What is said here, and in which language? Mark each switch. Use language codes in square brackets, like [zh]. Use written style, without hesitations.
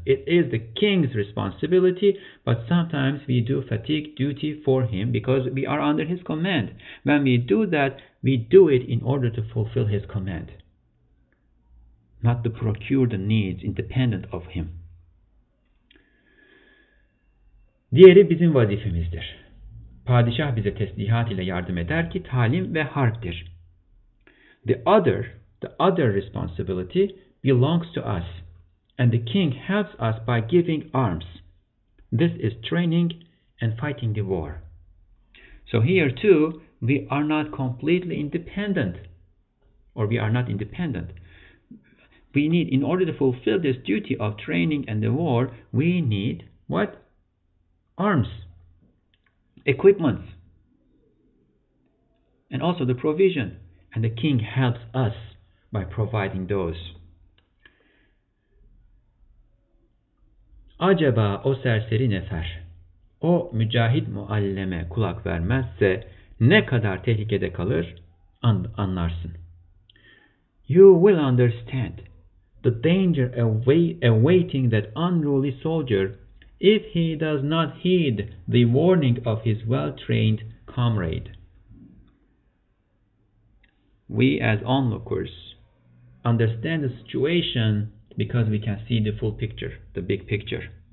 [en] It is the king's responsibility, but sometimes we do fatigue duty for him because we are under his command. When we do that, we do it in order to fulfill his command, not to procure the needs independent of him. [tr] Diğeri bizim vazifemizdir. Padişah bize teslihat ile yardım eder ki talim ve harptir. [en] The other responsibility belongs to us, and the king helps us by giving arms. This is training and fighting the war. So here too, we are not completely independent, or we are not independent. We need, in order to fulfill this duty of training and the war, we need what? Arms, equipment, and also the provision. And the king helps us by providing those. [tr] Acaba o serseri nefer, o mücahit mualleme kulak vermezse ne kadar tehlikede kalır anlarsın. [en] You will understand the danger awaiting that unruly soldier if he does not heed the warning of his well-trained comrade. We as onlookers understand the situation because we can see the full picture, the big picture.